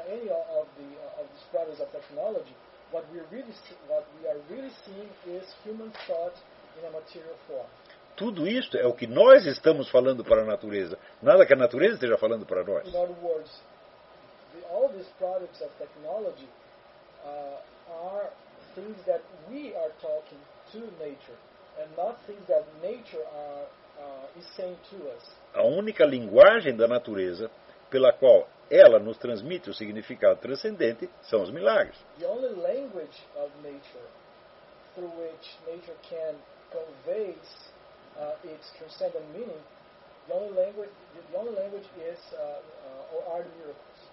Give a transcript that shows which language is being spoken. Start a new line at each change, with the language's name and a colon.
English: any of the products of technology. What we are really seeing is human thought in a material form.
Portuguese: Tudo isto é o que nós estamos falando para a natureza. Nada que a natureza esteja falando para nós.
English: In other words, all these products of technology are things that we are talking to nature, and not things that nature is saying to us.
Portuguese: A única linguagem da natureza pela qual ela nos transmite o significado transcendente são os milagres.
English: The only language of nature through which nature can convey its transcendent meaning, the only language is the miracles.